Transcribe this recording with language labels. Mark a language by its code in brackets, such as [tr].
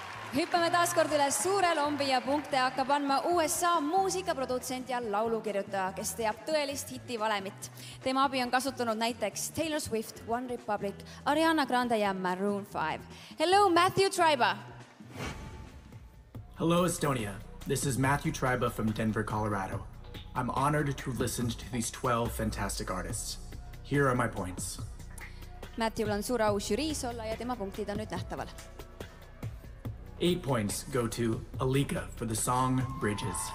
[et] Hüppame taas kord üle suure lombi ja punkte hakkab andma USA muusikaprodutsent ja laulukirjutaja, kes teab tõelist hiti valemit. Tema abi on kasutanud näiteks Taylor Swift, One Republic, Ariana Grande ja Maroon 5. [en] Hello, Matthew Triba! Hello, Estonia. This is Matthew Triba from Denver, Colorado. I'm honored to have listened to these 12 fantastic artists. Here are my points. [et] Matthewl on suur au žüriis olla ja tema punktid on nüüd nähtaval. [en] 8 points go to Alika for the song Bridges.